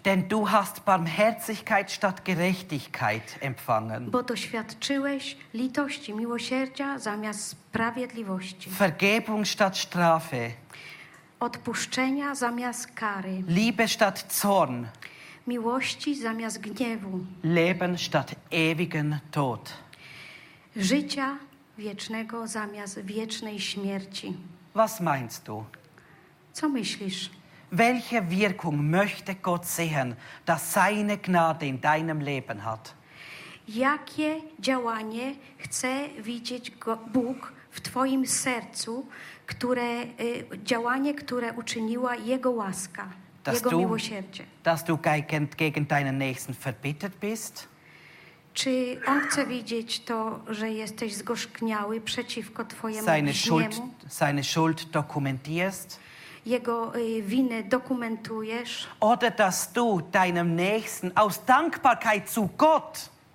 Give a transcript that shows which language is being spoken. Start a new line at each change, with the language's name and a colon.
German: Denn du hast Barmherzigkeit statt Gerechtigkeit empfangen.
Polish: Bo doświadczyłeś litości, miłosierdzia zamiast sprawiedliwości.
German: Vergebung statt Strafe.
Polish: Odpuszczenia zamiast kary.
German: Liebe statt Zorn.
Polish: Miłości zamiast gniewu.
German: Leben statt ewigen Tod.
Polish: Życia wiecznego zamiast wiecznej śmierci.
German: Was meinst du?
Polish: Co myślisz?
German: Welche Wirkung möchte Gott sehen, dass seine Gnade in deinem Leben hat?
Polish: Jakie działanie chce widzieć Bóg w twoim sercu, które działanie, które uczyniła jego łaska, dass jego miłosierdzie?
German: Dass du gegen deinen Nächsten verbittert bist?
Polish: Czy on chce widzieć to, że jesteś zgorzkniały przeciwko twojemu bliźniemu?
German: Seine Schuld dokumentierst?
Polish: Jego winę dokumentujesz.
German: Oder dass du deinem Nächsten aus Dankbarkeit zu Gott.